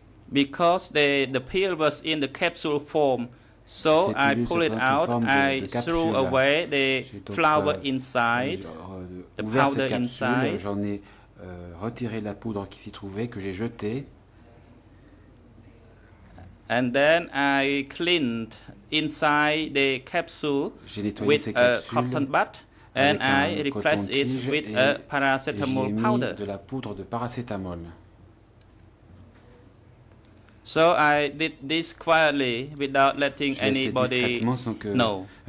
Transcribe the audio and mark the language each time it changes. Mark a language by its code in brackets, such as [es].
[en] Because the pill was in the capsule form, so I pulled it out, I threw away the flower inside, the powder inside. [fr] J'en ai retiré la poudre qui s'y trouvait, que j'ai jetée. [en] And then I cleaned inside the capsule with a cotton bud, and I replaced it with a paracetamol powder. [fr] De la poudre de paracétamol. [en] So I did this quietly without letting anybody know.